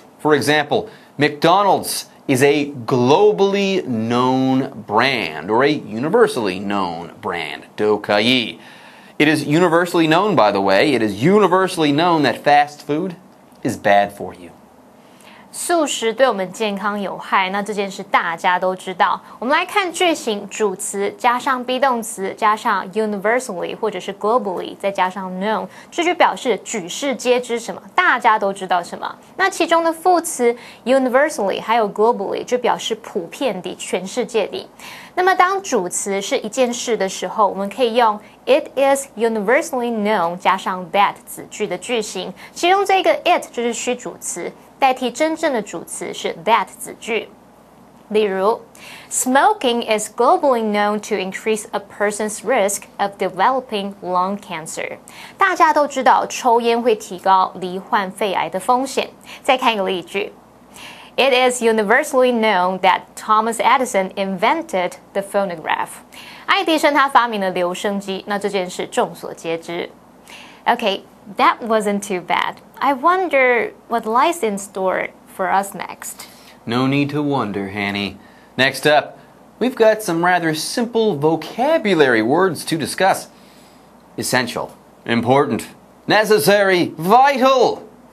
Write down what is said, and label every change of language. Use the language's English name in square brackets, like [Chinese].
[English] For example, McDonald's is a globally known brand or a universally known brand. Dokai. It is universally known, by the way, it is universally known that fast food is bad for you. [Chinese] 素食对我们健康有害，那这件事大家都知道。我们来看句型，主词加上 be 动词，加上 universally 或者是 globally， 再加上 known， 这句表示举世皆知什么，大家都知道什么。那其中的副词 universally 还有 globally 就表示普遍的、全世界的。那么当主词是一件事的时候，我们可以用 [English] it is universally known [Chinese] 加上 that 子句的句型，其中这个 it 就是虚主词，代替真正的主词是 that 子句。 [English] 例如 smoking is globally known to increase a person's risk of developing lung cancer. [Chinese] 大家都知道抽烟会提高罹患肺癌的风险。再看一个例句。 [English] It is universally known that Thomas Edison invented the phonograph. [Chinese] 爱迪生他发明了留声机，那这件事众所皆知。 [English] Okay, that wasn't too bad. I wonder what lies in store for us next. No need to wonder, Hanny. Next up, we've got some rather simple vocabulary words to discuss. Essential, important, necessary, vital.